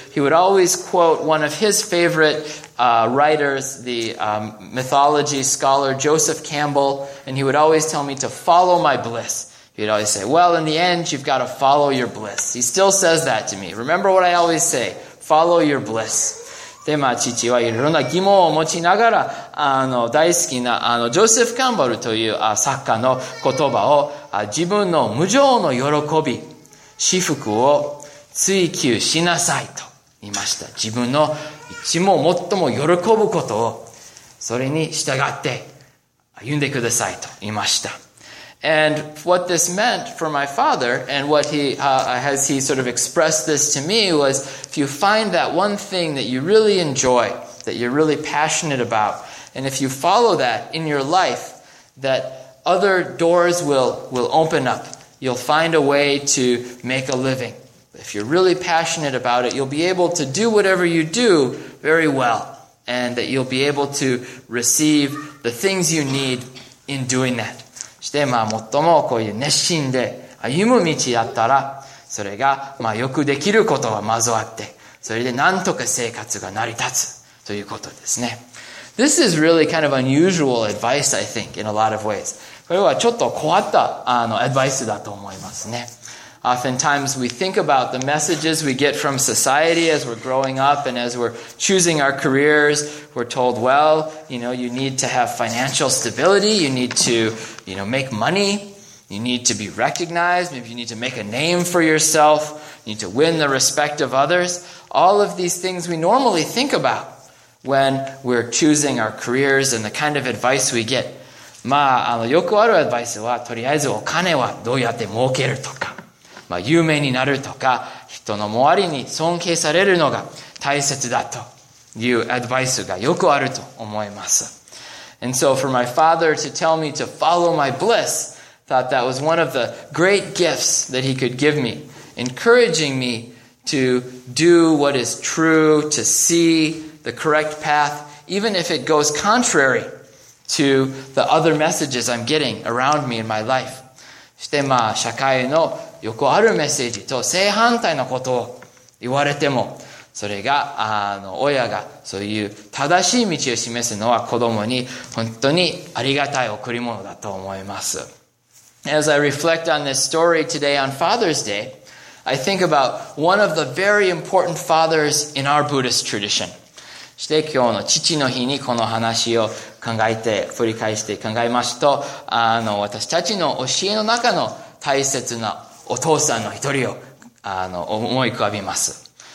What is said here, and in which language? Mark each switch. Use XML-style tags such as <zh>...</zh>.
<en>He would always quote one of his favorite writers, the mythology scholar Joseph Campbell, and he would always tell me to follow my bliss. He'd always say, well, in the end, you've got to follow your bliss. He still says that to me. Remember what I always say, follow your bliss.</en> <ja>で、まあ、父はいろんな疑問を持ちながら、大好きな、ジョセフ・カンボルという、作家の言葉を、自分の無常の喜び、至福を追求しなさいと言いました。自分の一問最も喜ぶことを、それに従って歩んでくださいと言いました。</ja> <en>And what this meant for my father, and what he, as he sort of expressed this to me, was if you find that one thing that you really enjoy, that you're really passionate about, and if you follow that in your life, that other doors will open up. You'll find a way to make a living. If you're really passionate about it, you'll be able to do whatever you do very well, and that you'll be able to receive the things you need in doing that.</en> <ja>して、まあ、最もこういう熱心で歩む道だったら、それが、まあ、よくできることはまずあって、それで何とか生活が成り立つということですね。</ja> <en>This is really kind of unusual advice, I think, in a lot of ways.</en> <ja>これはちょっと変わった、アドバイスだと思いますね。</ja> <en>Oftentimes we think about the messages we get from society as we're growing up and as we're choosing our careers. We're told, well, you know, you need to have financial stability. You need to, you know, make money. You need to be recognized. Maybe you need to make a name for yourself. You need to win the respect of others. All of these things we normally think about when we're choosing our careers and the kind of advice we get.</en> <ja>まあ、よくあるアドバイスは、とりあえずお金はどうやって儲けるとか。まあ、有名になるとか、人の周りに尊敬されるのが大切だというアドバイスがよくあると思います。</ja> <en>And so for my father to tell me to follow my bliss, thought that was one of the great gifts that he could give me, encouraging me to do what is true, to see the correct path, even if it goes contrary to the other messages I'm getting around me in my life.</en> <ja>して、まあ、社会のよくあるメッセージと正反対のことを言われても、それが、親がそういう正しい道を示すのは子供に本当にありがたい贈り物だと思います。</ja> <en>As I reflect on this story today on Father's Day, I think about one of the very important fathers in our Buddhist tradition.</en> <ja>して、今日の父の日にこの話を考えて、振り返して考えますと、私たちの教えの中の大切なお父さんの一人を、思い浮かびます。</ja>